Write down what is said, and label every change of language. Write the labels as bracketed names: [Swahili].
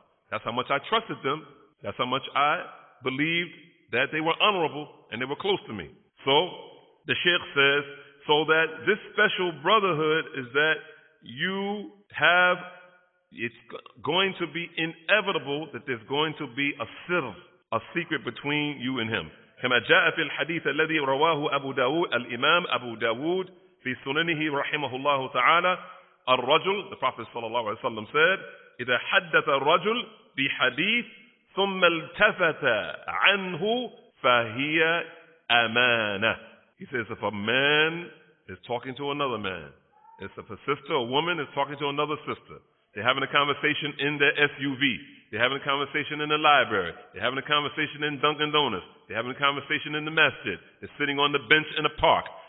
[English] That's how much I trusted them. That's how much I believed that they were honorable and they were close to me. So the Sheikh says, so that this special brotherhood is that you have, it's going to be inevitable that there's going to be a sir, a secret between you and him. [Arabic] كما جاء في الحديث الذي رواه أبو داود الإمام أبو داود في سننه رحمه الله تعالى الرجل, [English] the Prophet [Arabic] صلى الله عليه وسلم said, إذا حدث الرجل بحديث ثم التفت عنه فهي أمانة. [English] He says, if a man is talking to another man, if a sister, a woman is talking to another sister, they're having a conversation in their SUV, they're having a conversation in the library, they're having a conversation in Dunkin' Donuts, they're having a conversation in the masjid, they're sitting on the bench in a park.